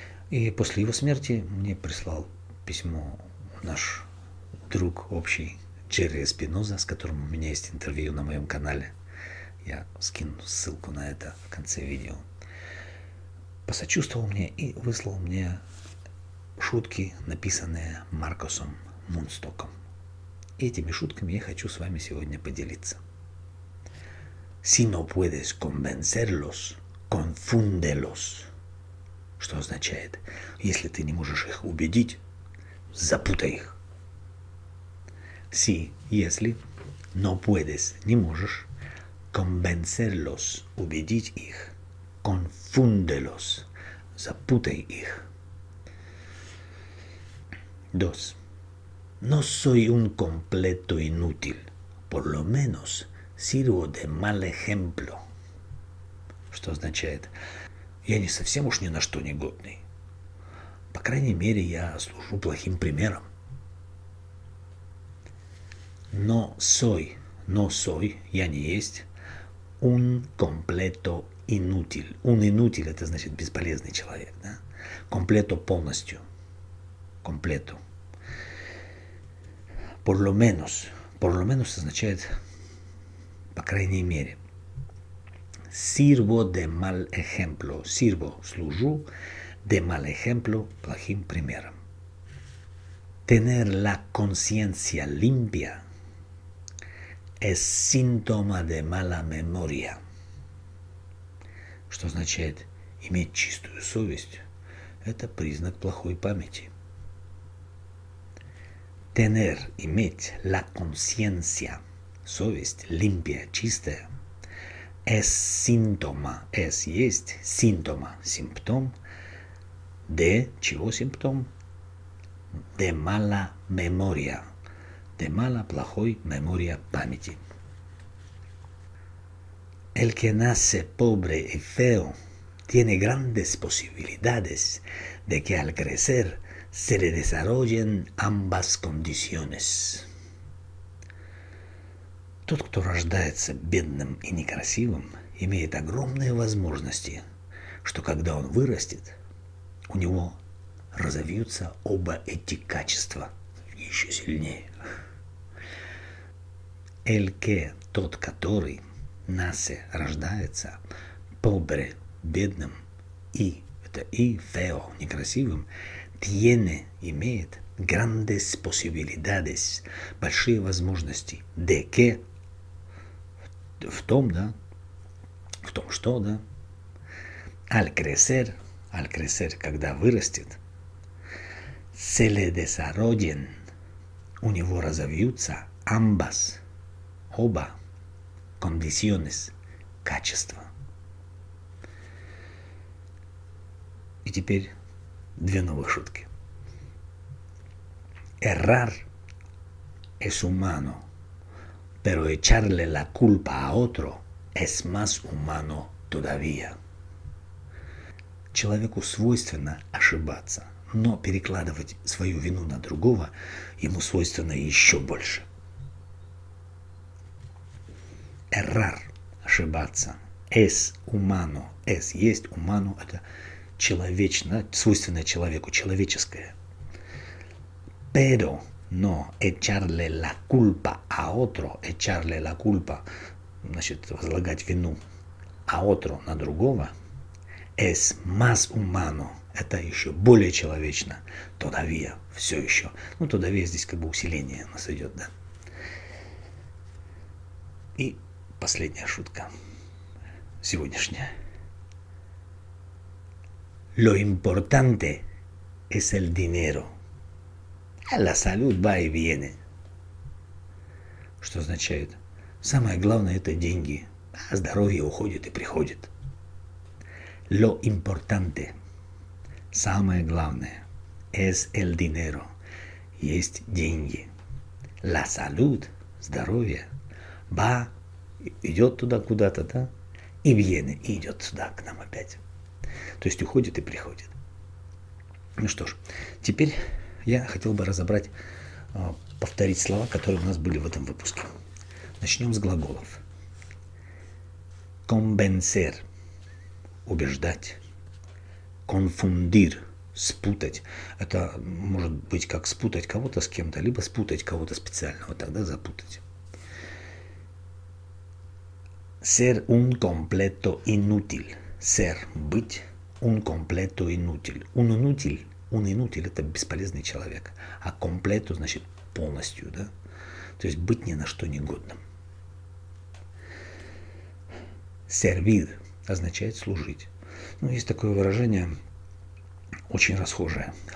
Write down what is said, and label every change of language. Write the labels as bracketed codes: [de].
[ru] И после его смерти мне прислал письмо наш друг общий Джерри Эспиноза, с которым у меня есть интервью на моем канале. Я скину ссылку на это в конце видео. Посочувствовал мне и выслал мне шутки, написанные Маркусом Мунстоком. И этими шутками я хочу с вами сегодня поделиться. [es] Si no puedes convencerlos, confúndelos. [ru] Что означает, если ты не можешь их убедить, запутай их. [es] Si, [ru] если, [es] no puedes, [ru] не можешь, [es] convencerlos, [ru] убедить их, [es] confúndelos, [ru] запутай их. [es] Dos. No soy un completo inútil, por lo menos sirvo de mal ejemplo. [ru] Что означает? Я не совсем уж ни на что не годный. По крайней мере, я служу плохим примером. Но сой, я не есть. [es] Un completo inútil. Un inútil, [ru] это значит бесполезный человек. Да? [es] Completo [ru] полностью. [es] Completo. Por lo menos [ru] означает по крайней мере. [es] Sirvo de mal ejemplo. Sirvo, [ru] служу, [es] de mal ejemplo, [ru] плохим примером. [es] Tener la conciencia limpia es síntoma de mala memoria. [ru] Что означает иметь чистую совесть? Это признак плохой памяти. [es] Tener, [ru] иметь, [es] la conciencia, [ru] совесть, [es] limpia, [ru] чистая. [es] Es síntoma, es, [ru] есть, [es] síntoma, [ru] симптом, [es] de, [ru] чего симптом? [es] De mala memoria, de mala, [ru] плохой, [es] memoria, [ru] памяти. [es] El que nace pobre y feo tiene grandes posibilidades de que al crecer se le desarrollen ambas condiciones. [ru] Тот, кто рождается бедным и некрасивым, имеет огромные возможности, что когда он вырастет, у него разовьются оба эти качества еще сильнее. [es] El que, [ru] тот, который, [es] nace, [ru] рождается, [es] pobre, [ru] бедным, и, это и, [es] feo, [ru] некрасивым, [es] tiene, [ru] имеет, [es] grandes posibilidades, [ru] большие возможности, [es] de que, [ru] в том, да, в том, что, да, [es] al crecer, [ru] когда вырастет, [es] se le desarrollen, [ru] у него разовьются [es] ambas, [ru] оба, [es] condiciones, [ru] качества. И теперь две новых шутки. [es] Errar es humano, pero echarle la culpa a otro es más humano todavía. [ru] Человеку свойственно ошибаться, но перекладывать свою вину на другого ему свойственно еще больше. [es] Errar, [ru] ошибаться. [es] Es humano, es, [ru] есть, [es] humano, [ru] это человечно, свойственно человеку, человеческое. [es] Pero, [ru] но [es] echarle la culpa a otro, echarle la culpa, [ru] значит, возлагать вину, [es] a otro, [ru] на другого, [es] es más humano, [ru] это еще более человечно, [es] todavía, [ru] все еще. Ну, todavía здесь как бы усиление у нас идет, да. И последняя шутка сегодняшняя. [es] Lo importante es el dinero. La salud va y viene. [ru] Что означает? Самое главное — это деньги. А здоровье уходит и приходит. [es] Lo importante. [ru] Самое главное. [es] Es el dinero. [ru] Есть деньги. [es] La salud. [ru] Здоровье. [es] Va. [ru] Идет туда куда-то, да? И [es] viene. [ru] И идет сюда к нам опять. То есть уходит и приходит. Ну что ж, теперь я хотел бы разобрать, повторить слова, которые у нас были в этом выпуске. Начнем с глаголов. [es] Convencer [ru] – убеждать. [es] Confundir [ru] – спутать. Это может быть как спутать кого-то с кем-то, либо спутать кого-то специально, вот тогда запутать. [es] Ser un completo inútil – ser [ru] – быть. [es] Un completo inútil. Un inútil [ru] – это бесполезный человек. А [es] completo [ru] – значит полностью, да? То есть быть ни на что негодным. [es] Servir [ru] – означает служить. Ну, есть такое выражение, очень расхожее.